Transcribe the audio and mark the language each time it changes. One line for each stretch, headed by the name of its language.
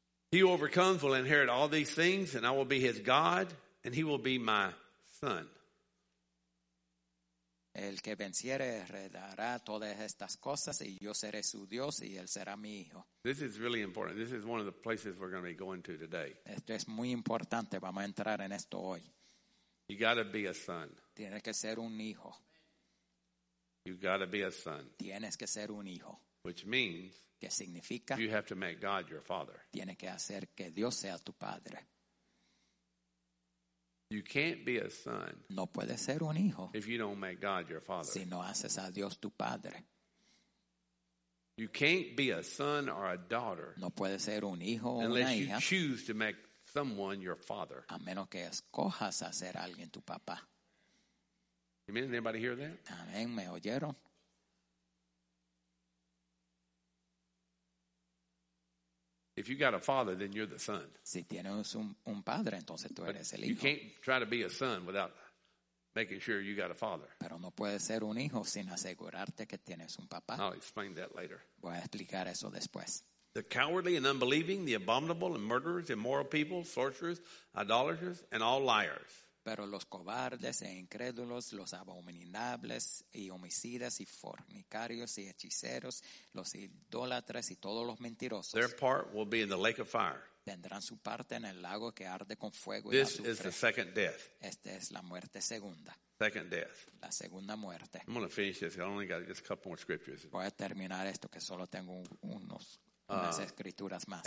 English: He who overcomes will inherit all these things, and I will be his God, and he will be my son.
Spanish: El que venciere heredará todas estas cosas y yo seré su Dios y él será mi hijo.
English: This is really important. This is one of the places we're going to be going to today.
Spanish: Esto es muy importante. Vamos a entrar en esto hoy.
English: You got to be a son.
Spanish: Tienes que ser un hijo.
English: You got to be a son.
Spanish: Tienes que ser un hijo.
English: Which means
Spanish: que significa
English: you have to make God your father.
Spanish: Tienes que hacer que Dios sea tu padre.
English: You can't be a son.
Spanish: No puede ser un hijo.
English: If you don't make God your father.
Spanish: Si no haces a Dios tu padre.
English: You can't be a son or a daughter.
Spanish: No puede ser un hijo o una hija.
English: Unless you choose to make someone your father.
Spanish: A menos que escojas a ser alguien tu papá.
English: Amen. Anybody hear that?
Spanish: Amen. ¿Me oyeron?
English: If you got a father, then you're the son.
Spanish: Si tienes un padre, entonces tú eres el hijo.
English: You can't try to be a son without making sure you got a father.
Spanish: Pero no puedes ser un hijo sin asegurarte que tienes un papá.
English: I'll explain that later.
Spanish: Voy a explicar eso después.
English: The cowardly and unbelieving, the abominable and murderers, immoral people, sorcerers, idolaters, and all liars.
Spanish: Pero los cobardes e incrédulos, los abominables y homicidas y fornicarios y hechiceros, los idólatras y todos los mentirosos.
English: Their part will be in the lake of fire.
Spanish: Tendrán su parte en el lago que arde con fuego
English: this
Spanish: y azufre.
English: This is the second death.
Spanish: Esta es la muerte segunda.
English: Second death.
Spanish: La segunda muerte.
English: I'm going to finish this. I only got just a couple more scriptures.
Spanish: Voy a terminar esto que solo tengo unas escrituras más.